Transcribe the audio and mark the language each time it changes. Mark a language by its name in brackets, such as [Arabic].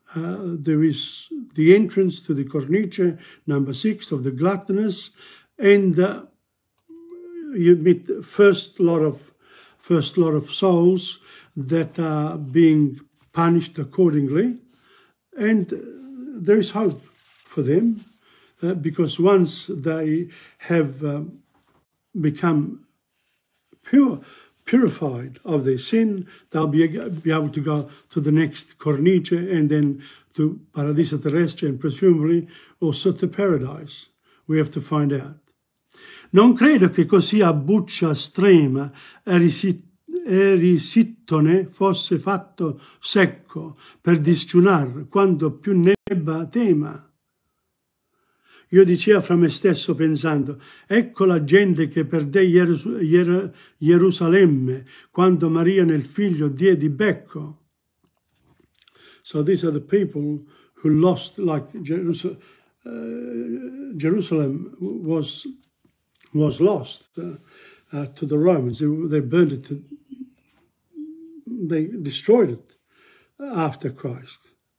[English] There is the entrance to the cornice, number 6 of the gluttonous, and you meet the first lot of souls that are being punished accordingly, and there is hope for them, because once they have become purified of their sin, they'll be able to go to the next cornice and then to Paradiso Terrestre and presumably also to Paradise. We have to find out. [Italian] Non credo che così a buccia strema erisittone fosse fatto secco per disciunar quando più ne ebba tema. Io dicea fra me stesso pensando, ecco la gente che perdé Gerusalemme quando Maria nel figlio die di becco. [English] So these are the people who lost, like Jerusalem was lost to the Romans. They burned it, they destroyed it after Christ.